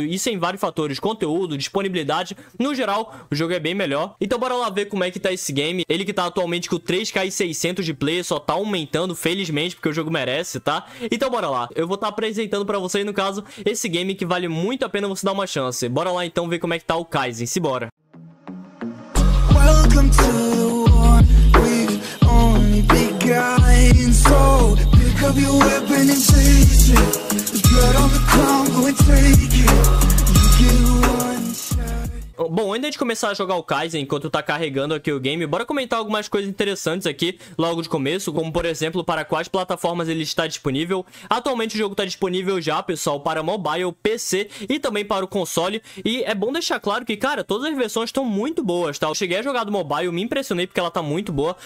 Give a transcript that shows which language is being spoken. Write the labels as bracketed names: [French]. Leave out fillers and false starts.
[Portuguese] Isso em vários fatores, conteúdo, disponibilidade, no geral, o jogo é bem melhor. Então bora lá ver como é que tá esse game, ele que tá atualmente com 3.600 de player, só tá aumentando, felizmente, porque o jogo merece, tá? Então bora lá, eu vou estar apresentando pra vocês, no caso, esse game que vale muito a pena você dar uma chance. Bora lá então ver como é que tá o Kaisen, simbora! [English] Welcome to the one we've only begun. So pick up your weapon and take it. Blood on the ground, go and take it. You get one shot. [Portuguese] Bom, antes de começar a jogar o Kaisen, enquanto tá carregando aqui o game, bora comentar algumas coisas interessantes aqui, logo de começo, como por exemplo, para quais plataformas ele está disponível. Atualmente o jogo tá disponível já, pessoal, para mobile, PC e também para o console, e é bom deixar claro que, cara, todas as versões estão muito boas, tá? Eu cheguei a jogar do mobile, me impressionei porque ela tá muito boa.